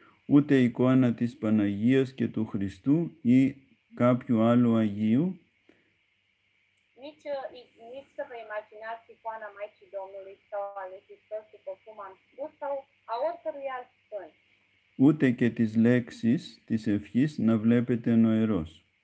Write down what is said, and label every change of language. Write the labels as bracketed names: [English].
[Greek] Ούτε εικόνα της Παναγίας και του Χριστού ή κάποιου άλλου Αγίου. [Romanian] Nici să vă imaginați icoana Maicii Domnului sau a lui Hristos, după cum am spus, sau a oricărui alt sfânt. [Greek] Ούτε και τις λέξεις της ευχής να βλέπετε νοερός.